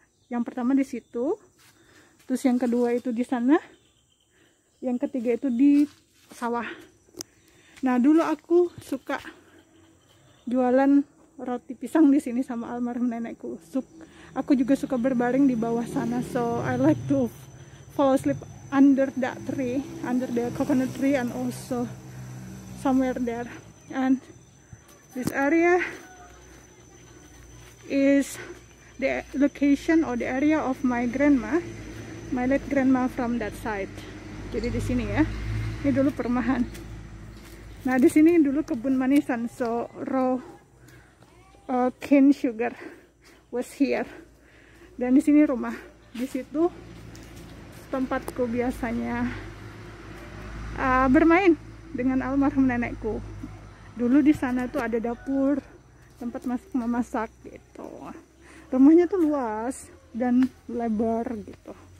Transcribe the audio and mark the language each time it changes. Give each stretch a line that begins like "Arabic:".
Indonesian: Yang pertama di situ, terus yang kedua itu di sana. Yang ketiga itu di sawah. Nah, dulu aku suka jualan roti pisang di sini sama almarhum nenekku. Aku juga suka berbaring di bawah sana.
English: So, I like to fall asleep under that tree, under the coconut tree and also somewhere there. And this area is the location or the area of my grandma, my late grandma from that side.
Indonesian: Jadi di sini ya. Ini dulu perumahan. Nah, di sini dulu kebun manisan.
English: So, raw cane sugar was here.
Indonesian: Dan di sini rumah. Di situ tempatku biasanya bermain dengan almarhum nenekku. Dulu di sana tuh ada dapur, tempat masak memasak gitu. Rumahnya tuh luas dan lebar gitu.